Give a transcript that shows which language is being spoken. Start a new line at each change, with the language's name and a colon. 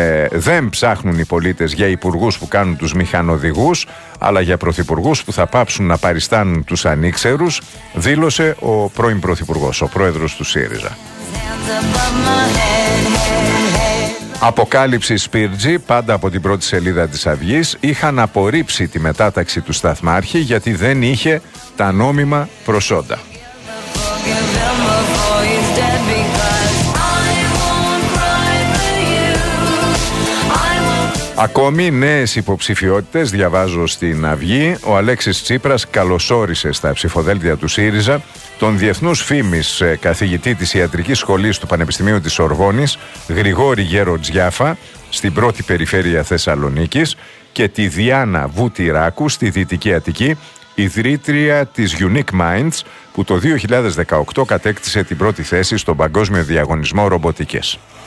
Greek: Δεν ψάχνουν οι πολίτες για υπουργούς που κάνουν τους μηχανοδηγούς, αλλά για πρωθυπουργούς που θα πάψουν να παριστάνουν τους ανήξερους, δήλωσε ο πρώην πρωθυπουργός, ο πρόεδρος του ΣΥΡΙΖΑ. Αποκάλυψη Σπίρτζη, πάντα από την πρώτη σελίδα της Αυγής, είχαν απορρίψει τη μετάταξη του σταθμάρχη γιατί δεν είχε τα νόμιμα προσόντα.
English: Because I won't cry for you.
Greek: Ακόμη νέες υποψηφιότητες διαβάζω στην Αυγή. Ο Αλέξης Τσίπρας καλωσόρισε στα ψηφοδέλτια του ΣΥΡΙΖΑ τον διεθνούς φήμης καθηγητή της Ιατρικής Σχολής του Πανεπιστημίου της Σορβόνης, Γρηγόρη Γεροτζιάφα, στην πρώτη περιφέρεια Θεσσαλονίκης, και τη Διάνα Βουτυράκου στη Δυτική Αττική, ιδρύτρια της Unique Minds, που το 2018 κατέκτησε την πρώτη θέση στον Παγκόσμιο Διαγωνισμό Ρομποτικές.